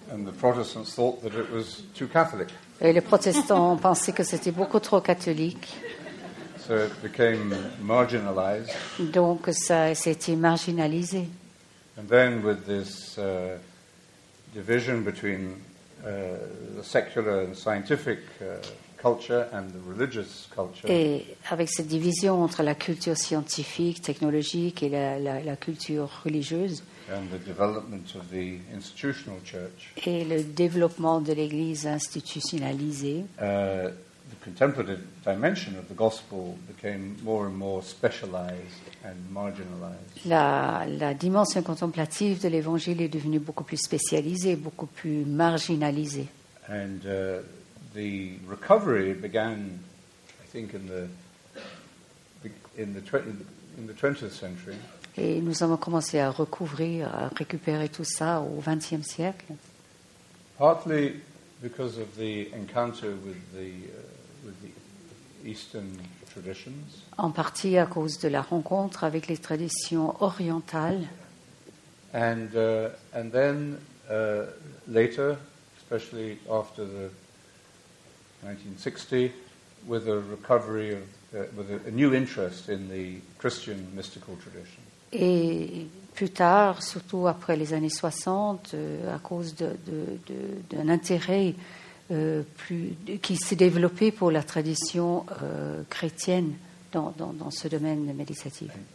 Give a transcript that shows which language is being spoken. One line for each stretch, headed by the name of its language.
English: And the Protestants thought that it was too Catholic.
French: Et les protestants ont pensé que c'était beaucoup trop catholique.
English: So it became marginalized.
French: Donc ça s'est marginalisé.
English: And then with this division between the secular and scientific culture and the religious culture.
French: Et avec cette division entre la culture scientifique, technologique et la culture religieuse.
English: And the development of the institutional church.
French: Et le développement de l'Église institutionnalisée.
English: The contemplative dimension of the gospel became more and more specialized and marginalized.
French: La dimension contemplative de l'Évangile est devenue beaucoup plus spécialisée, beaucoup plus marginalisée.
English: And the recovery began, I think, in the 20th century.
French: Et nous avons commencé à recouvrir, à récupérer tout ça au XXe siècle.
English: Partly because of the encounter with the Eastern traditions.
French: En partie à cause de la rencontre avec les traditions orientales.
English: And then later, especially after the 1960, with a recovery of with a new interest in the Christian mystical tradition.
French: Et plus tard, surtout après les années 60, à cause d'un intérêt qui s'est développé pour la tradition chrétienne dans ce domaine méditatif.